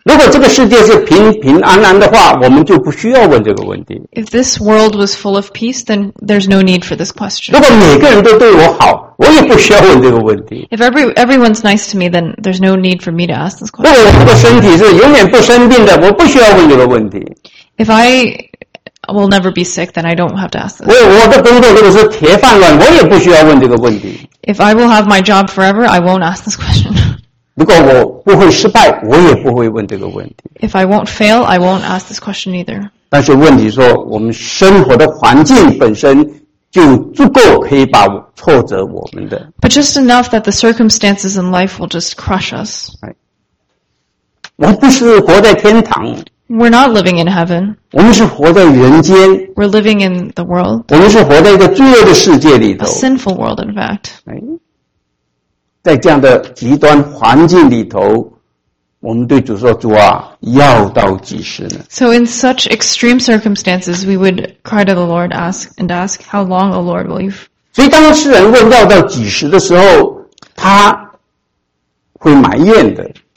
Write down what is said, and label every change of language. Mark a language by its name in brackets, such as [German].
[Chinese] 如果这个世界是平平安安的话我们就不需要问这个问题。 [English] If this world was full of peace, then there's no need for this question. [Chinese] 如果每个人都对我好我也不需要问这个问题。 [English] If everyone's nice to me, then there's no need for me to ask this question. [Chinese] 如果我的身体是永远不生病的我不需要问这个问题。 [English] If I will never be sick, then I don't have to ask this question. [Chinese] 我的工作如果是铁饭碗我也不需要问这个问题。 [English] If I will have my job forever, I won't ask this question. [Chinese] 如果我不会失败我也不会问这个问题。 [English] If I won't fail, I won't ask this question either. [Chinese] 但是问题说我们生活的环境本身就足够可以把挫折我们的。 [English] But just enough that the circumstances in life will just crush us. [Chinese] 我不是活在天堂。 [English] We're not living in heaven. [Chinese] 我们是活在人间。 [English] We're living in the world. [Chinese] 我们是活在一个罪恶的世界里头。 [English] A sinful world, in fact. [Chinese] 在这样的极端环境里头我们对主说主啊要到几时呢 [English] So in such extreme circumstances we would cry to the Lord ask how long O Lord will you [Chinese] 所以当诗人问要到几时的时候他会埋怨的